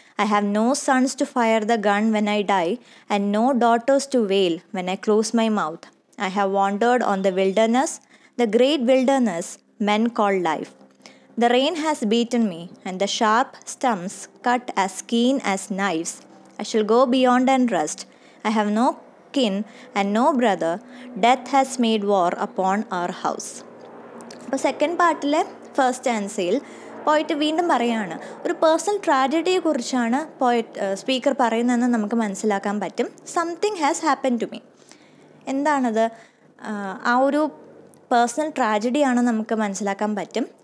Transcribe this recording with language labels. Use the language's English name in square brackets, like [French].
[English] I have no sons to fire the gun when I die and no daughters to wail when I close my mouth. I have wandered on the wilderness, the great wilderness men call life. The rain has beaten me and the sharp stones cut as keen as knives. I shall go beyond and rest. I have no kin and no brother. Death has made war upon our house. [Malayalam] അപ്പോൾ second പാർട്ടിലെ first സ്റ്റാൻസയിൽ പോയിട്ട് വീണ്ടും പറയുകയാണ്, ഒരു personal ട്രാജഡിയെ കുറിച്ചാണ് പോയിട്ട് speaker പറയുന്നതെന്ന് നമുക്ക് മനസ്സിലാക്കാൻ പറ്റും. [English] something has happen to me, [Malayalam] എന്താണത്, ആ ഒരു പേഴ്സണൽ ട്രാജഡിയാണ് നമുക്ക് മനസ്സിലാക്കാൻ പറ്റും.